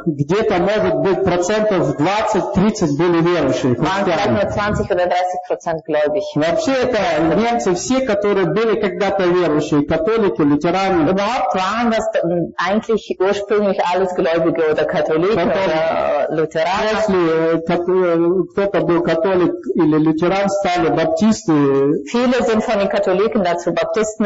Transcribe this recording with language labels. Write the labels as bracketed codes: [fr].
[ru] Где-то может быть процентов 20-30 были верующие. Вообще это немцы все, которые были когда-то верующие, католики, лютеране. [de] Überhaupt waren das eigentlich ursprünglich alles Gläubige oder Katholiken oder Lutheraner. [ru] Если кто-то был католик или лютеран, стали баптисты. [de] Viele sind von den Katholiken dazu Baptisten